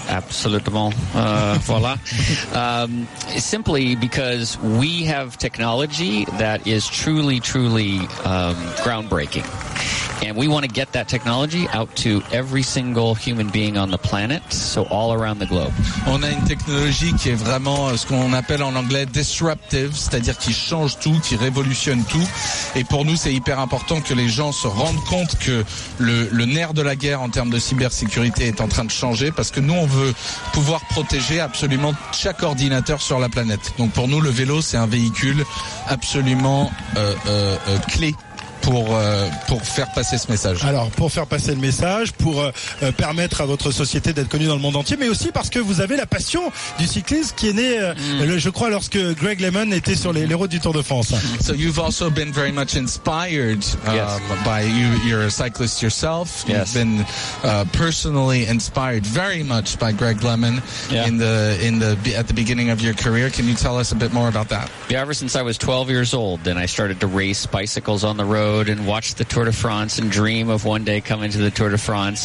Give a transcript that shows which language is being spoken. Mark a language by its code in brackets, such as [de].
[en] Absolutely. voilà. Simply because we have technology that is truly, truly groundbreaking. And we want to get that technology out to every single human being on the planet, so all around the globe. [fr] On a une technologie qui est vraiment ce qu'on appelle en anglais disruptive, c'est-à-dire qui change tout, qui révolutionne tout. Et pour nous, c'est hyper important que les gens se rendent compte que le nerf de la guerre en termes de cybersécurité est en train de changer, parce que nous, on veut pouvoir protéger absolument chaque ordinateur sur la planète. Donc pour nous, le vélo, c'est un véhicule absolument clé. Pour faire passer ce message. Alors, pour faire passer le message, pour permettre à votre société d'être connue dans le monde entier, mais aussi parce que vous avez la passion du cyclisme qui est née, je crois, lorsque Greg LeMond était sur les routes du Tour de France. [en] So you've also been very much inspired by you, you're a cyclist yourself. Yes. You've been personally inspired very much by Greg LeMond at the beginning of your career. Can you tell us a bit more about that? Yeah, ever since I was 12 years old, then I started to race bicycles on the road and watch the Tour de France and dream of one day coming to the Tour de France.